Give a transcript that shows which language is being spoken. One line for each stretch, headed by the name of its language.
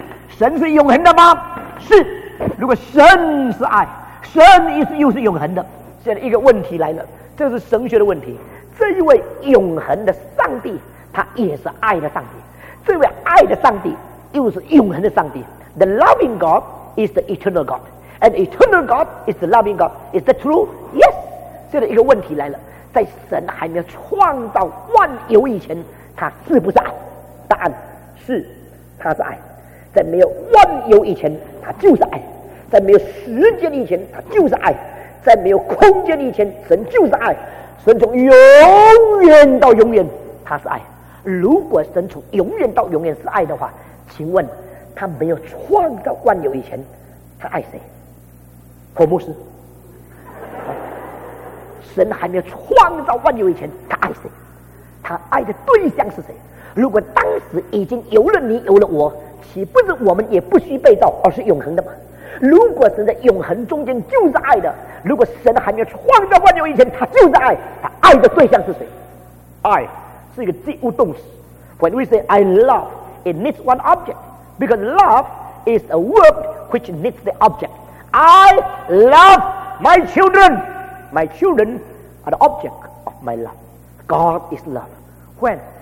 Chinese: 神是永恒的吗？是。如果神是爱，神又是永恒的，现在一个问题来了，这是神学的问题，这一位永恒的上帝他也是爱的上帝，这位爱的上帝又是永恒的上帝。
English: The loving God is the eternal God and eternal God is the loving God, is that true? Yes.
Chinese: 现在一个问题来了，在神还没有创造万有以前，他是不是爱？答案是，他是爱。在没有万有以前，他就是爱；在没有时间以前，他就是爱；在没有空间以前，神就是爱。神从永远到永远，他是爱。如果神从永远到永远是爱的话，请问他没有创造万有以前，他爱谁？何牧师，神还没有创造万有以前，他爱谁？他爱的对象是谁？如果当时已经有了你，有了我，岂不是我们也不需被造，而是永恒的吗？如果神在永恒中间就是爱的，如果神还没有创造万有以前，他就是爱，他爱的对象是谁？爱是一个及物动词。
English: When we say I love, it needs one object, because love is a word which needs the object. I love my children. My children are the object of my love. God is love. When?